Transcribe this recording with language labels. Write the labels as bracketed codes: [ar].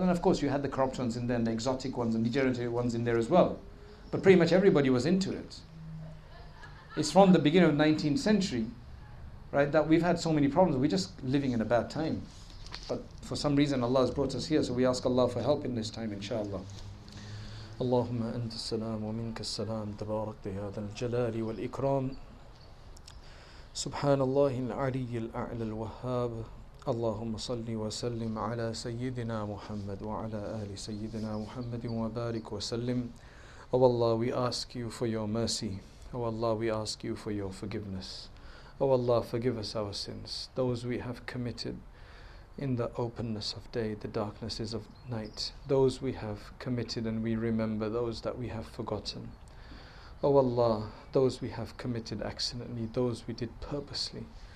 [en] And of course, you had the corrupt ones in there, and the exotic ones, and the degenerate ones in there as well. But pretty much everybody was into it. It's from the beginning of the 19th century, right, that we've had so many problems. We're just living in a bad time. But for some reason, Allah has brought us here, so we ask Allah for help in this time, inshallah. [ar] اللهم أنت السلام ومنك السلام تبارك يا ذا الجلال والإكرام سبحان الله العلي الأعلى الوهاب اللهم صل وسلم على سيدنا محمد وعلى آل سيدنا محمد وبارك وسلم [en] Oh Allah, we ask you for your mercy. Oh Allah, we ask you for your forgiveness. Oh Allah, forgive us our sins, those we have committed in the openness of day, the darknesses of night, those we have committed and we remember, those that we have forgotten. O Allah, those we have committed accidentally, those we did purposely.